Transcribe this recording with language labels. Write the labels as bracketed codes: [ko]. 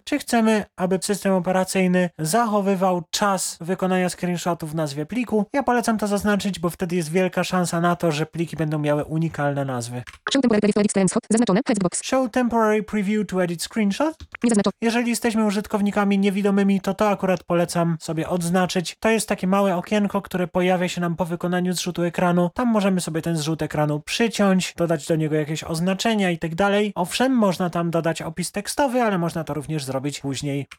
[pl] Czy chcemy, aby system operacyjny zachowywał czas wykonania screenshotu w nazwie pliku? Ja polecam to zaznaczyć, bo wtedy jest wielka szansa na to, że pliki będą miały unikalne nazwy. [en] Show Temporary Preview to Edit Screenshot, [pl] zaznaczone, [en] Hexbox. Show Temporary Preview to Edit Screenshot. [pl] Nie zaznaczone. Jeżeli jesteśmy użytkownikami niewidomymi, to akurat polecam sobie odznaczyć. To jest takie małe okienko, które pojawia się nam po wykonaniu zrzutu ekranu. Tam możemy sobie ten zrzut ekranu przyciąć, dodać do niego jakieś oznaczenia i tak dalej. Owszem, można tam dodać opis tekstowy, ale można to również zrobić później.